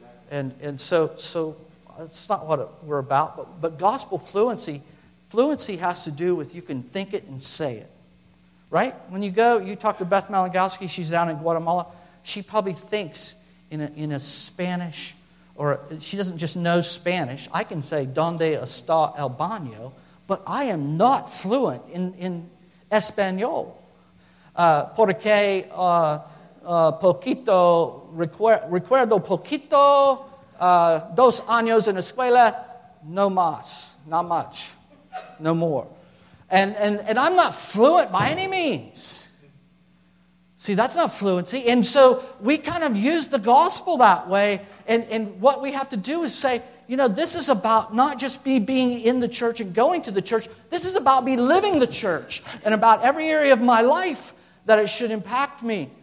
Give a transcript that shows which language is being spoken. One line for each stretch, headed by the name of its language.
English: And so that's not what we're about. But gospel fluency has to do with you can think it and say it. Right? When you go, you talk to Beth Malangowski, she's down in Guatemala. She probably thinks in a Spanish, or she doesn't just know Spanish. I can say,
Spanish: ¿dónde está el baño?
English: But I am not fluent in Espanol.
Spanish: Porque poquito, recuerdo poquito, dos años en escuela, no más,
English: not much, no more. And I'm not fluent by any means. See, that's not fluency. And so we kind of use the gospel that way. And what we have to do is say, you know, this is about not just me being in the church and going to the church. This is about me living the church and about every area of my life that it should impact me.